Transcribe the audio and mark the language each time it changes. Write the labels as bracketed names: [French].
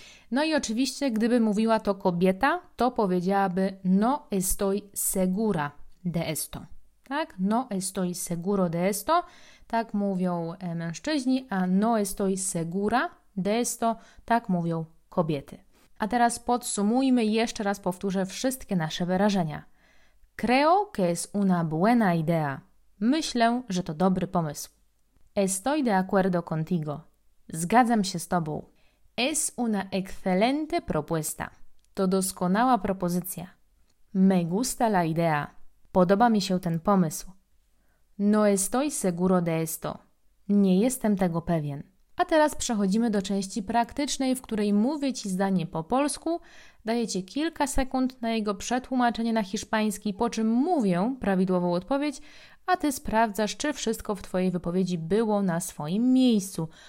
[Polish] No i oczywiście, gdyby mówiła to kobieta, to powiedziałaby [Spanish] no estoy segura de esto. [Polish] Tak? [Spanish] No estoy seguro de esto. [Polish] Tak mówią mężczyźni, a [Spanish] no estoy segura de esto. [Polish] Tak mówią kobiety. A teraz podsumujmy, jeszcze raz powtórzę wszystkie nasze wyrażenia. [Spanish] Creo que es una buena idea. [Polish] Myślę, że to dobry pomysł. [Spanish] Estoy de acuerdo contigo. [Polish] Zgadzam się z Tobą. [Spanish] Es una excelente propuesta. [Polish] To doskonała propozycja. [Spanish] Me gusta la idea. [Polish] Podoba mi się ten pomysł. [Spanish] No estoy seguro de esto. [Polish] Nie jestem tego pewien. A teraz przechodzimy do części praktycznej, w której mówię Ci zdanie po polsku, daję Ci kilka sekund na jego przetłumaczenie na hiszpański, po czym mówię prawidłową odpowiedź, a Ty sprawdzasz, czy wszystko w Twojej wypowiedzi było na swoim miejscu.